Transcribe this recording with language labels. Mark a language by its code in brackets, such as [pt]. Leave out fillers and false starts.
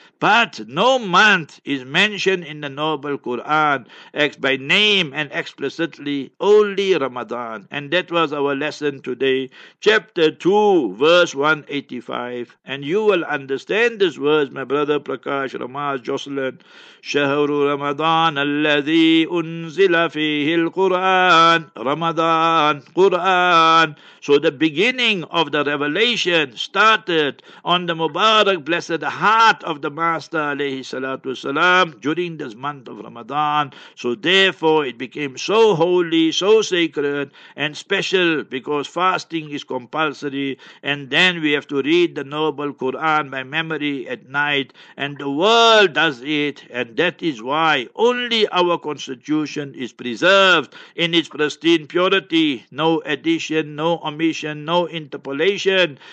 [en] But no month is mentioned in the Noble Quran by name and explicitly, only Ramadan. And that was our lesson today. Chapter 2, verse 185. And you will understand this verse, my brother Prakash, Ramaz, Jocelyn. [ar] شهر رمضان الذي أنزل فيه القرآن Ramadan, Quran. [en] So the beginning of the revelation started on the Mubarak, blessed heart of the Master alayhi salatu wasalam during this month of Ramadan. So therefore it became so holy, so sacred and special, because fasting is compulsory, and then we have to read the noble Quran by memory at night, and the world does it, and that is why only our constitution is preserved in its pristine purity, no addition, no omission, no interpolation.